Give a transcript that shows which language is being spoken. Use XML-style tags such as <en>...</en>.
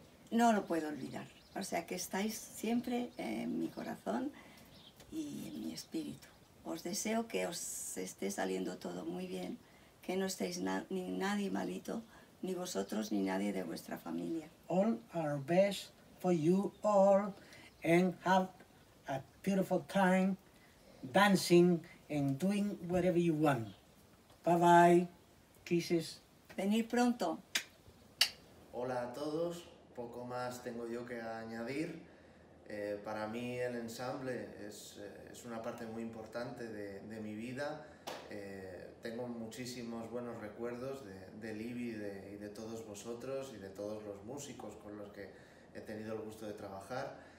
<es>No lo puedo olvidar, o sea que estáis siempre en mi corazón y en mi espíritu. Os deseo que os esté saliendo todo muy bien, que no estéis ni nadie malito, ni vosotros ni nadie de vuestra familia.</es> <en>All our best for you all, and have a beautiful time dancing and doing whatever you want. Bye bye, kisses.</en> <es>Venid pronto. Hola a todos, poco más tengo yo que añadir. Para mí el ensamble es una parte muy importante de mi vida. Tengo muchísimos buenos recuerdos de Libby y de todos vosotros y de todos los músicos con los que he tenido el gusto de trabajar.</es>